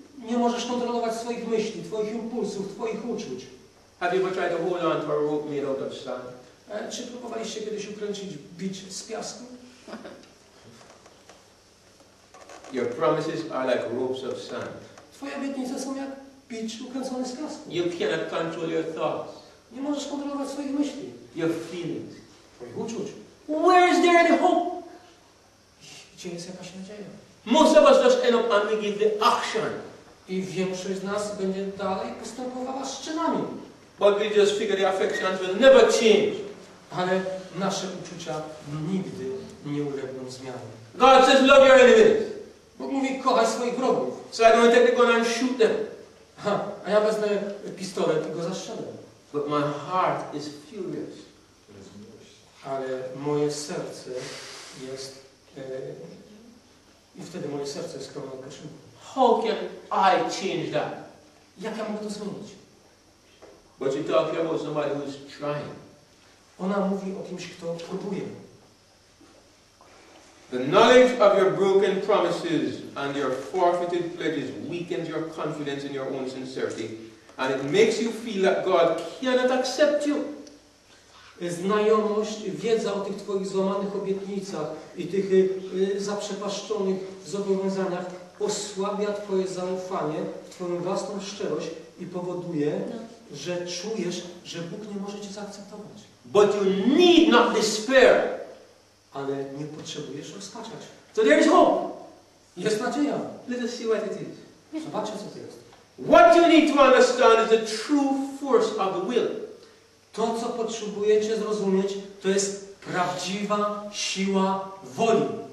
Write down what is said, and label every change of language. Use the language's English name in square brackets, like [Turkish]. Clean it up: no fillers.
[Polish] Nie możesz kontrolować swoich myśli, twoich impulsów, twoich uczuć. [English] Have you ever tried to hold on to a rope made out of sand? [Polish] Czy próbowaliście kiedyś ukręcić bicz z piasku? [English] Your promises are like ropes of sand. [Polish] Twoje obietnice są jak bicz ukręcony z piasku. [English] You cannot control your thoughts. [Polish] Nie możesz kontrolować swoich myśli. [English] Your feelings. [Polish] Twoich uczuć. [English] Where is there any hope? [Polish] Gdzie jest jakaś nadzieja? [English] Most of us just end up and we give the action. [Polish] I większość z nas będzie dalej postępowała z czynami. [English] But we just figure the affections will never change. [Polish] Ale nasze uczucia nigdy nie ulegną zmianie. [English] God says, love your enemies. [Polish] Bóg mówi, kochaj swoich wrogów. [English] So I don't take the gun and shoot them. [Polish] A ja wezmę pistolet i go zastrzelę. [English] But my heart is furious. [Polish] Ale moje serce jest... I wtedy moje serce jest krwawe od kaszynku. [English] How can I change that? [Polish] Jak ja mogę to zmienić? [English] But you talk about somebody who is trying. [Polish] Ona mówi o kimś, kto próbuje. [English] The knowledge of your broken promises and your forfeited pledges weakens your confidence in your own sincerity, and it makes you feel that God cannot accept you. [Polish] Znajomość, wiedza o tych twoich złamanych obietnicach i tych zaprzepaszczonych zobowiązaniach osłabia twoje zaufanie w twoją własną szczerość i powoduje, że czujesz, że Bóg nie może cię zaakceptować. [English] But you need not despair. [Polish] Ale nie potrzebujesz rozpaczać. [English] So there is hope. [Polish] Jest nadzieja. [English] Let us see what it is. [Polish] Zobaczcie, co to jest. [English] What you need to understand is the true force of the will. [Polish] To, co potrzebujecie zrozumieć, to jest prawdziwa siła woli.